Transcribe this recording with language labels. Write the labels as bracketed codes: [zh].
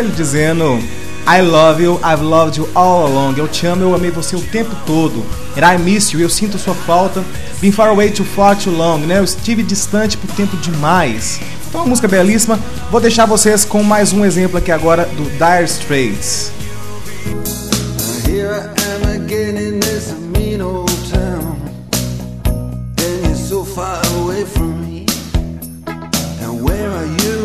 [pt] Ele dizendo: [en] I love you, I've loved you all along. [pt] Eu te amo, eu amei você o tempo todo. [en] And I miss you, [pt] eu sinto sua falta. [en] Been far away too far too long, [pt] né? Eu estive distante por tempo demais. Então, uma música belíssima. Vou deixar vocês com mais um exemplo aqui agora do Dire Straits. [en] Here I am again in this mean old town. And you're so far away from me. And where are you?